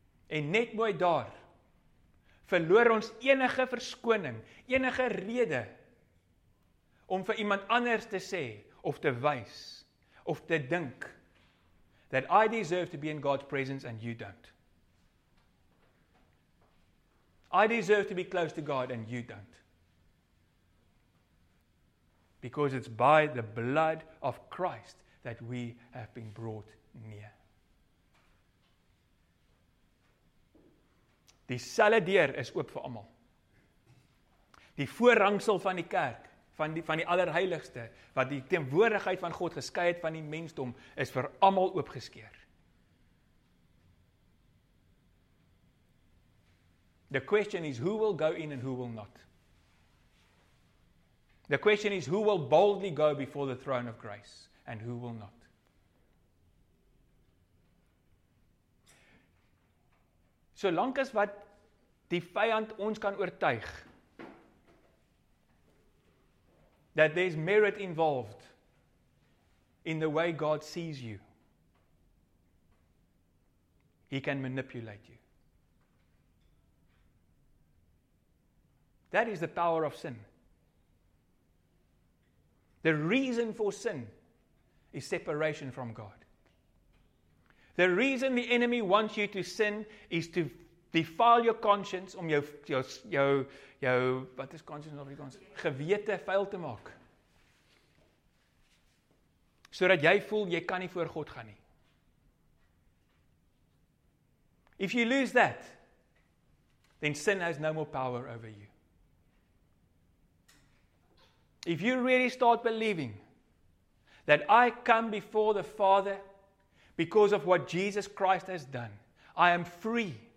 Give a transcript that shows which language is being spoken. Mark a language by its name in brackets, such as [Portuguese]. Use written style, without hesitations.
[Afrikaans] En net mooi daar, verloor ons enige verskoning, enige rede om vir iemand anders te sê of te wys of te dink [English] that I deserve to be in God's presence and you don't. I deserve to be close to God and you don't. Because it's by the blood of Christ that we have been brought near. [Afrikaans] Die selle deur is oop vir almal. Die voorhangsel van die kerk, van die allerheiligste, wat die teenwoordigheid van God geskei het van die mensdom, is vir almal oopgeskeur. [English] The question is, who will go in and who will not? The question is, who will boldly go before the throne of grace and who will not? [Afrikaans] Solank as wat die vyand ons kan oortuig, [English] that there's merit involved in the way God sees you, He can manipulate you. That is the power of sin. The reason for sin is separation from God. The reason the enemy wants you to sin is to defile your conscience [Afrikaans] om jou wat is [English] conscience of your conscience? [Afrikaans] Gewete vuil te maak. Sodat jy voel jy kan nie voor God gaan nie. [English] If you lose that, then sin has no more power over you. If you really start believing that I come before the Father because of what Jesus Christ has done, I am free.